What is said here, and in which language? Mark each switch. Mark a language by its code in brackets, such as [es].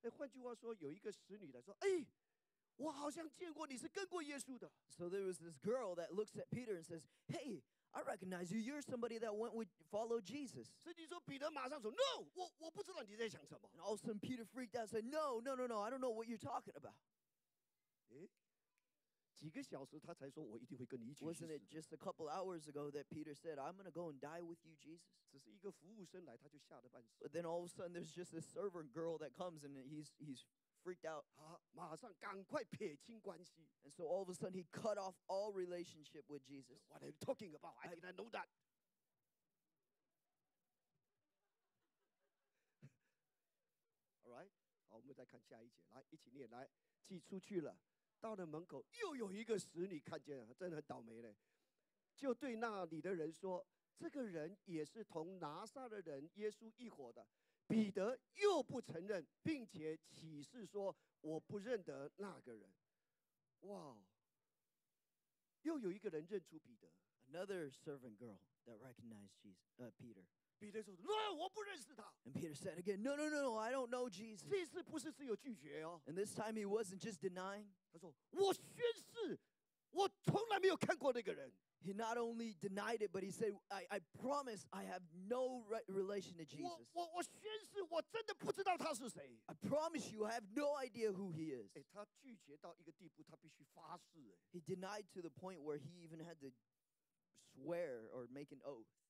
[zh] 哎，换句话说，有一个使女来说：“哎，我好像见过你是跟过耶稣的。” [en] So there was this girl that looks at Peter and says, "Hey, I recognize you. You're somebody that went with follow Jesus." [zh] 使女说：“彼得马上说 ， [en] No, [zh] 我不知道你在想什么。” [en] And all of a sudden, Peter freaked out and said, "No, I don't know what you're talking about." 哎。 [zh] 几个小时，他才说：“我一定会跟你一起去死。” [en] Wasn't it just a couple hours ago that Peter said, "I'm going to go and die with you, Jesus"? [zh] 只是一个服务生来，他就吓得半死。 [en] But then all of a sudden, there's just this servant girl that comes and he's freaked out. [zh] 好，马上赶快撇清关系。 [en] And so all of a sudden, he cut off all relationship with Jesus. What are you talking about? I didn't know that. [zh] 好 ，right， 好，我们再看下一节，来一起念，来，寄出去了。到了门口，又有一个使女看见了，真的很倒霉嘞。就对那里的人说：“这个人也是同拿撒勒人耶稣一伙的。” 彼得又不承认，并且起誓说：“我不认得那个人。” Wow. 又有一个人认出彼得。 [en] Another servant girl that recognized Jesus, Peter. [zh] 彼得说 [en] No, [zh] 我不认识他。 [en] And Peter said again, No, no, no, no, I don't know Jesus. [zh] 这次不是只有拒绝哦。 [en] And this time he wasn't just denying. [zh] 他说我宣誓，我从来没有看过那个人。 [en] He not only denied it, but he said, I promise I have no relation to Jesus. [zh] 我宣誓我真的不知道他是谁。 [en] I promise you, I have no idea who he is. [zh] 哎，他拒绝到一个地步，他必须发誓。 [en] He denied to the point where he even had to swear or make an oath.